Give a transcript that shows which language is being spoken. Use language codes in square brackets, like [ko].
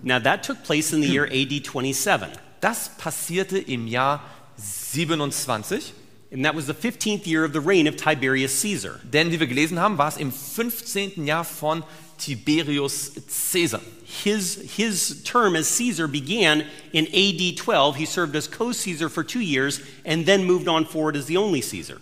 [en] Now that took place in the year AD 27. [de] Das passierte im Jahr 27. [en] And that was the 15th year of the reign of Tiberius Caesar. [de] Denn wie wir gelesen haben, war es im 15. Jahr von Tiberius Caesar. [en] His term as Caesar began in AD 12. He served as co-Caesar for 2 years and then moved on forward as the only Caesar.